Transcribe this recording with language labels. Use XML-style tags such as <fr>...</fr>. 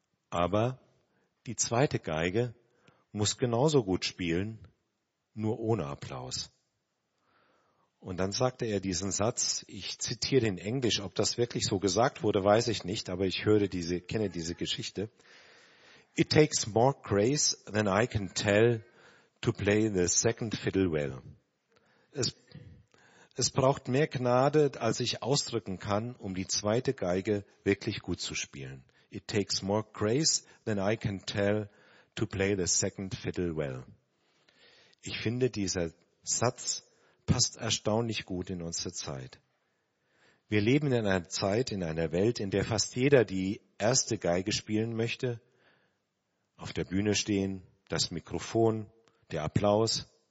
<de>Aber die zweite Geige muss genauso gut spielen, nur ohne Applaus. Und dann sagte er diesen Satz, ich zitiere in Englisch, ob das wirklich so gesagt wurde, weiß ich nicht, aber ich kenne diese Geschichte.</de> <en>It takes more grace than I can tell to play the second fiddle well.</en> <de>Es braucht mehr Gnade, als ich ausdrücken kann, um die zweite Geige wirklich gut zu spielen.</de> <en>It takes more grace than I can tell to play the second fiddle well.</en> <de>Ich finde, dieser Satz passt erstaunlich gut in unsere Zeit. Wir leben in einer Zeit, in einer Welt, in der fast jeder die erste Geige spielen möchte, auf der Bühne stehen, das Mikrofon, der Applaus.</de>